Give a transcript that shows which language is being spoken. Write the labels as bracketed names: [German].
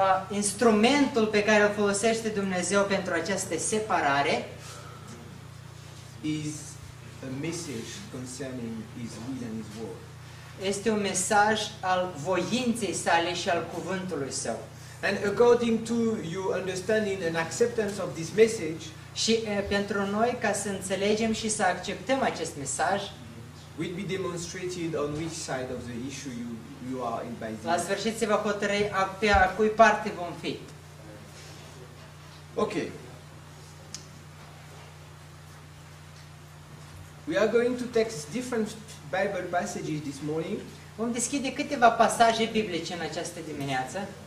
[Romanian] Instrumentul pe care îl folosește Dumnezeu pentru această separare [English] is a message concerning his will and his word. [Romanian] Este un mesaj al voinței sale și al cuvântului său. [English] And according to your understanding and acceptance of this message, [Romanian] și pentru noi ca să înțelegem și să acceptăm acest mesaj, [English] will be demonstrated on which side of the issue you are in by [Romanian] the. La sfârșit se va hotărâi pe a cui parte vom fi. [English] Okay. We are going to text different Bible passages this morning. [Romanian] Vom deschide câteva pasaje biblice în această dimineață.